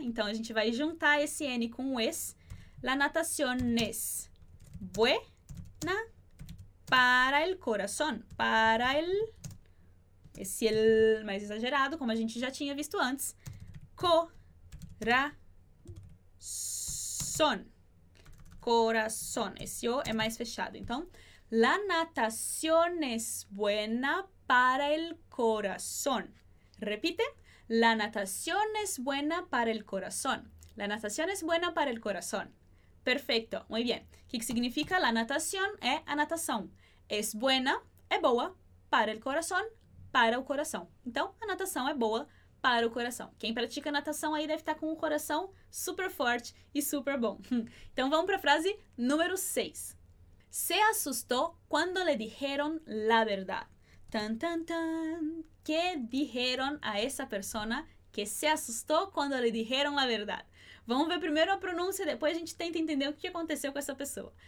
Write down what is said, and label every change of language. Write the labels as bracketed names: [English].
[Portuguese] Então, a gente vai juntar esse N com o S. [Spanish] La natación es buena para el corazón. Para el... [Portuguese] Esse el mais exagerado, como a gente já tinha visto antes. [Spanish] Corazón. Corazón. [Portuguese] Esse O é mais fechado. [Spanish] Então, la natación es buena para el corazón. Repite. La natación es buena para el corazón. La natación es buena para el corazón. Perfecto. Muy bien. ¿Qué significa la natación? [Portuguese] Es a natação. [Spanish] Es buena, es boa, para el corazón, [Portuguese] para o coração. Então, a natação é boa para o coração. Quem pratica natação aí deve estar com o coração super forte e super bom. Então, vamos para a frase número 6. [Spanish] Se assustou quando lhe dijeron la verdad. Tan, tan, tan. ¿Qué dijeron a esa persona que se asustó cuando le dijeron la verdad? [Portuguese] Vamos ver primeiro a pronúncia, depois a gente tenta entender o que aconteceu com essa pessoa.